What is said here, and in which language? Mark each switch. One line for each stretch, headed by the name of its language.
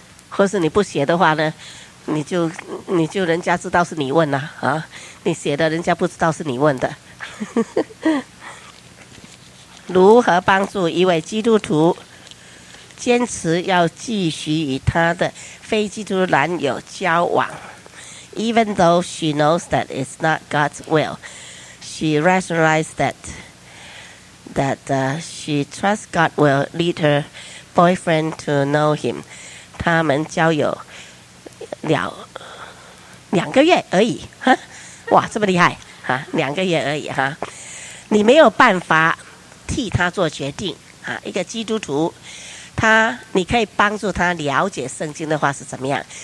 Chinese: 或是你不写的话呢，你就人家知道是你问啊，啊，你写的人家不知道是你问的。如何帮助一位基督徒坚持要继续与他的非基督徒男友交往？
English: Even though she knows that it's not God's will, she rationalized that she trusts God will lead her boyfriend to know him.
Chinese: 他们交友了两个月而已，哇，这么厉害，啊，两个月而已，啊，你没有办法替他做决定，啊，一个基督徒他，你可以帮助他了解圣经的话是怎么样。